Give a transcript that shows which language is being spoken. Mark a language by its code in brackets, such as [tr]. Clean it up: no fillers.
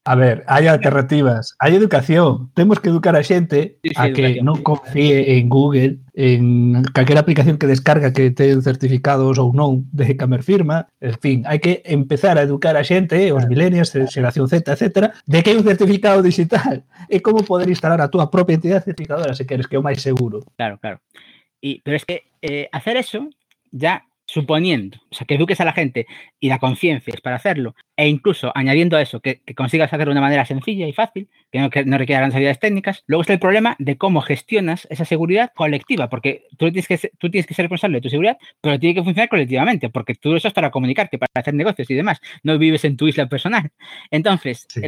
[es] A ver, hay alternativas. Hay educación. Tenemos que educar a gente que no confíe en Google, en cualquier aplicación que descarga que tenga certificados o no de cámara firma. En fin, hay que empezar a educar a [gl] xente, os millennials, xeración Z, [es] etcétera, de que hay un certificado digital. [gl] É como poder instalar a tua propia entidade certificadora, se queres, que é o máis seguro. [es] Claro, claro. Y, pero es que hacer eso, ya suponiendo, o sea, que eduques a la gente y la conciencies para hacerlo, e incluso añadiendo a eso, que consigas hacerlo de una manera sencilla y fácil, que no requiera grandes habilidades técnicas, luego está el problema de cómo gestionas esa seguridad colectiva, porque tú tienes que ser responsable de tu seguridad, pero tiene que funcionar colectivamente, porque tú eso es para comunicarte, para hacer negocios y demás, no vives en tu isla personal. Entonces, sí.